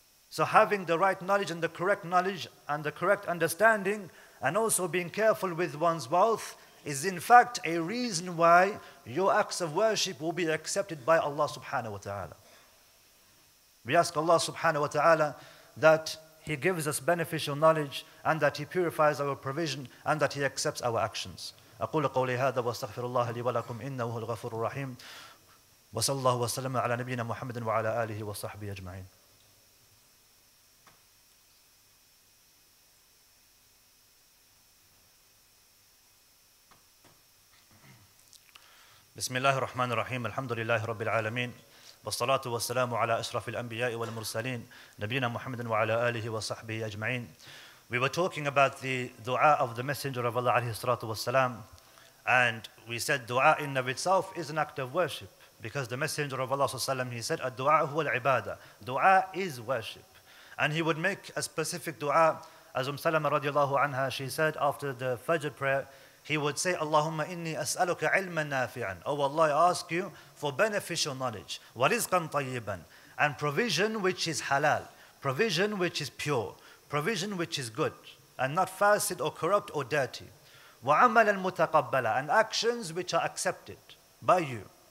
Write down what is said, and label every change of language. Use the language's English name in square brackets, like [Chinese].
[English] So having the right knowledge and the correct knowledge and the correct understanding, and also being careful with one's wealth, is in fact a reason why your acts of worship will be accepted by Allah subhanahu wa ta'ala. We ask Allah subhanahu wa ta'ala that He gives us beneficial knowledge, and that He purifies our provision, and that He accepts our actions. [Arabic] أقول قولي هذا واستغفر الله لي ولكم إنه الغفور الرحيم وصلى الله وسلم على نبينا محمد وعلى آله وصحبه أجمعين. بسم الله الرحمن الرحيم الحمد لله رب العالمين والصلاة والسلام على أشرف الأنبياء والمرسلين نبينا محمد وعلى آله وصحبه أجمعين. [English] We were talking about the dua of the Messenger of Allah [Arabic] عليه الصلاة والسلام, [English] and we said dua in of itself is an act of worship, because the Messenger of Allah ﷺ, he said [Arabic] الدُّعَاء هُوَ الْعِبَادَةِ, [English] dua is worship. And he would make a specific dua, as Salama radiallahu anha, she said after the Fajr prayer, he would say [Arabic] Allahumma inni as'aluka ilman nafi'an, [English] oh Allah, I ask you for beneficial knowledge, [Arabic] wa rizqan tayyiban, [English] and provision which is halal, provision which is pure, provision which is good and not fasid or corrupt or dirty, [Arabic] وَعَمَلَ الْمُتَقَبَّلَ, [English] and actions which are accepted by you.